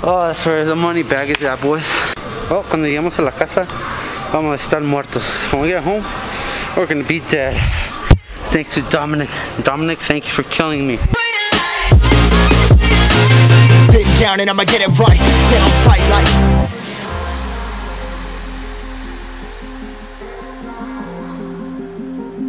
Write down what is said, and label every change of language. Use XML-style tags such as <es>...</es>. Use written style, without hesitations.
<en>Oh, that's where the money bag is at, boys.</en> <es>Oh, cuando lleguemos a la casa, vamos a estar muertos.</es> <en>When we get home, we're gonna be dead. Thanks to Dominic. Dominic, thank you for killing me. Pin down and I'ma get it right. Get on sight like.</en>